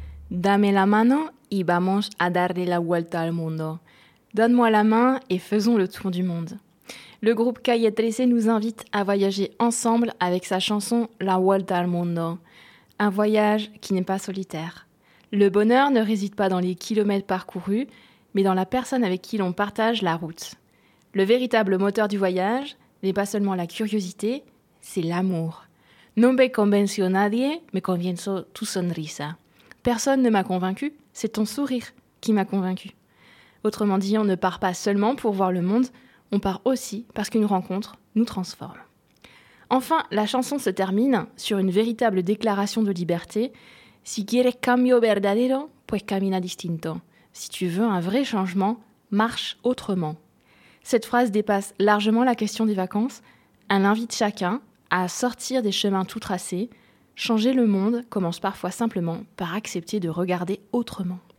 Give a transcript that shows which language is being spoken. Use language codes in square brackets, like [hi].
[es] dame la mano y vamos a darle la vuelta al mundo. [fr] Donne-moi la main et faisons le tour du monde. Le groupe Calle 13 nous invite à voyager ensemble avec sa chanson La Vuelta al Mundo. Un voyage qui n'est pas solitaire. Le bonheur ne réside pas dans les kilomètres parcourus, mais dans la personne avec qui l'on partage la route. Le véritable moteur du voyage n'est pas seulement la curiosité, c'est l'amour. [es] No me convenció nadie, me convenció tu sonrisa. [fr] Personne ne m'a convaincu, c'est ton sourire qui m'a convaincu. Autrement dit, on ne part pas seulement pour voir le monde, on part aussi parce qu'une rencontre nous transforme. Enfin, la chanson se termine sur une véritable déclaration de liberté. [es] Si quieres cambio verdadero, pues camina distinto. [fr] Si tu veux un vrai changement, marche autrement. Cette phrase dépasse largement la question des vacances. Elle invite chacun à sortir des chemins tout tracés. Changer le monde commence parfois simplement par accepter de regarder autrement.